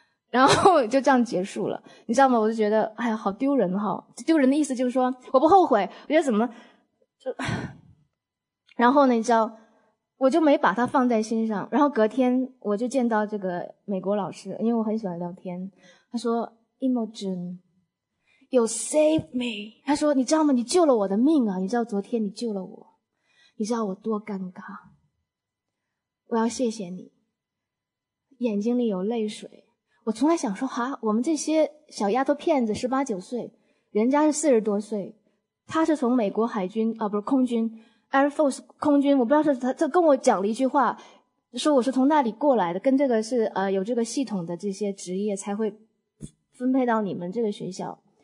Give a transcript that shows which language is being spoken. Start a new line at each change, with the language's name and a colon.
Chinese: 然后就这样结束了，你知道吗？我就觉得，哎呀，好丢人哈！丢人的意思就是说，我不后悔，我觉得怎么就……然后呢，你知道，我就没把它放在心上。然后隔天，我就见到这个美国老师，因为我很喜欢聊天。他说 ：“
English: Imogen, you saved me。”
Chinese: 他说：“你知道吗？你救了我的命啊！你知道昨天你救了我，你知道我多尴尬。我要谢谢你，眼睛里有泪水。” 我从来想说哈，我们这些小丫头片子十八九岁，人家是四十多岁，他是从美国海军啊，不是空军 Air Force 空军，我不知道是他，他跟我讲了一句话，说我是从那里过来的，跟这个是有这个系统的这些职业才会分配到你们这个学校。